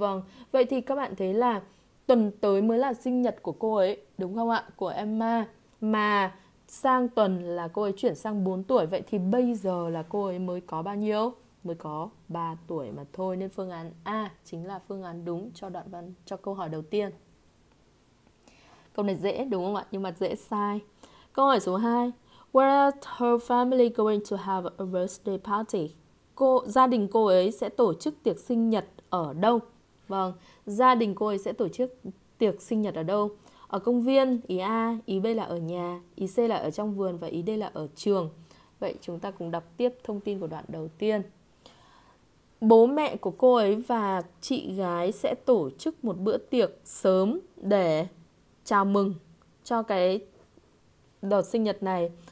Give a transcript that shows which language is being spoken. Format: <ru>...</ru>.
<vi>Vâng, vậy thì các bạn thấy là tuần tới mới là sinh nhật của cô ấy, đúng không ạ? Của Emma. Mà sang tuần là cô ấy chuyển sang 4 tuổi, vậy thì bây giờ là cô ấy mới có bao nhiêu? Mới có 3 tuổi mà thôi, nên phương án A chính là phương án đúng cho đoạn văn, cho câu hỏi đầu tiên. Câu này dễ đúng không ạ? Nhưng mà dễ sai. Câu hỏi số 2.</vi> <en>Where is her family going to have a birthday party?</en> <vi>Gia đình cô ấy sẽ tổ chức tiệc sinh nhật ở đâu? Vâng, gia đình cô ấy sẽ tổ chức tiệc sinh nhật ở đâu? Ở công viên, ý A, ý B là ở nhà, ý C là ở trong vườn và ý D là ở trường. Vậy chúng ta cùng đọc tiếp thông tin của đoạn đầu tiên. Bố mẹ của cô ấy và chị gái sẽ tổ chức một bữa tiệc sớm để chào mừng cho cái đợt sinh nhật này.</vi>